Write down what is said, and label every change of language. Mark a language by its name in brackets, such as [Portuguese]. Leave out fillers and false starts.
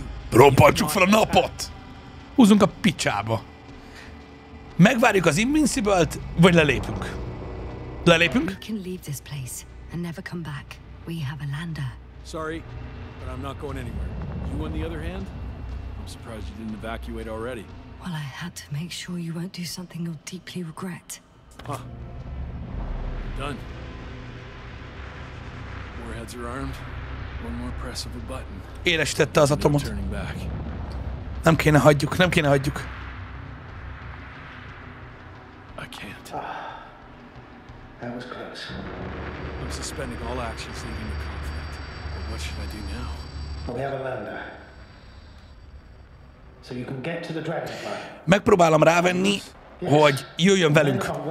[Hungarian] Robbantsuk fel a napot! Húzunk a picsába. Megvárjuk az Invincible-t, vagy lelépünk? Lelépünk? [English] And never come back. We have a lander. Sorry, but I'm not going anywhere. You on the other hand? I'm surprised you didn't evacuate already. Well, I had to make sure you won't do something you'll deeply regret. Huh. Done. Warheads are armed. One more press of a button. [Hungarian] Élesítette az atomot. [English] No turning back. [Hungarian] Nem kéne hagyjuk, nem kéne hagyjuk. [English] I can't. That was close. I'm suspending all actions leading to conflict. But what should I do now? Well, we have a lander. So you can get to the dragonfly. [Hungarian] Megpróbálom rávenni, hogy jöjjön velünk.